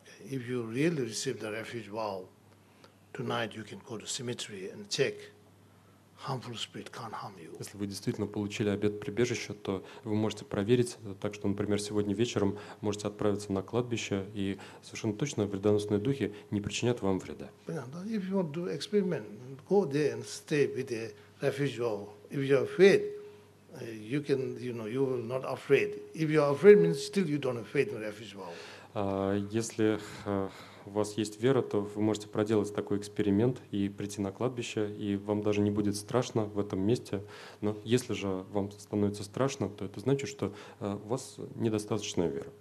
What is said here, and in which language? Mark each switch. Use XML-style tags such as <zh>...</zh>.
<en>If you really receive the refuge vow, tonight you can go to cemetery and check. Harmful spirit can't harm you.</en> <ru>Если вы действительно получили обет прибежища, то вы можете проверить, так что, например, сегодня вечером можете отправиться на кладбище, и совершенно точно вредоносные духи не причинят вам вреда. Понятно.</ru> <en>If you want to experiment, go there and stay with the refuge vow. If you are afraid, you can, you know, you will not afraid. If you are afraid, means still you don't have faith in refuge vow.</en> <ru>Если у вас есть вера, то вы можете проделать такой эксперимент и прийти на кладбище, и вам даже не будет страшно в этом месте. Но если же вам становится страшно, то это значит, что у вас недостаточная вера.</ru>